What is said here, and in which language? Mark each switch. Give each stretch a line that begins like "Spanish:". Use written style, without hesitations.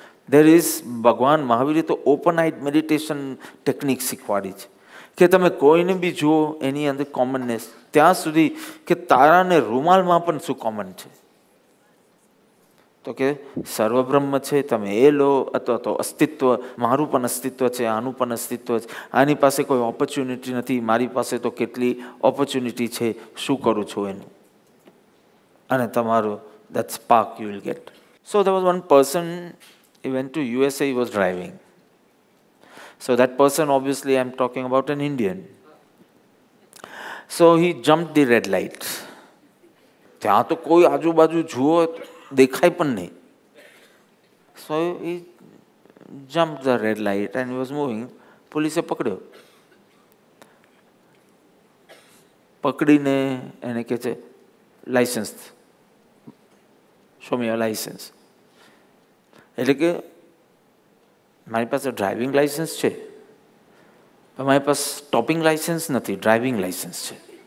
Gujarati: There is ભગવાન મહાવીરે તો open eyed meditation technique શીખવાડી છે કે તમે કોઈને બી જુઓ એની અંદર કોમનનેસ, ત્યાં સુધી કે તારાને રૂમાલમાં પણ શું કોમન છે. તો કે સર્વબ્રહ્મ છે, તમે એ લો, અથવા તો અસ્તિત્વ, મારું પણ અસ્તિત્વ છે, આનું પણ અસ્તિત્વ છે, આની પાસે કોઈ ઓપોર્ચ્યુનિટી નથી, મારી પાસે તો કેટલી ઓપોર્ચ્યુનિટી છે, શું કરું છું એનું. અને તમારો
English: That spark you will get. So there was one person, he went to USA, he was driving. So that person, obviously I'm talking about an Indian. So he jumped the red light.
Gujarati: ત્યાં તો કોઈ આજુબાજુ જુઓ દેખાય પણ નહીં.
English: So he jumped the red light and he was moving.
Gujarati: પોલીસે પકડ્યો. પકડીને એને કહે છે, licence,
English: Show me your licence.
Gujarati: એટલે કે મારી પાસે ડ્રાઇવિંગ લાઇસન્સ છે, મારી પાસે સ્ટોપિંગ લાઇસન્સ નથી, ડ્રાઇવિંગ લાઇસન્સ છે.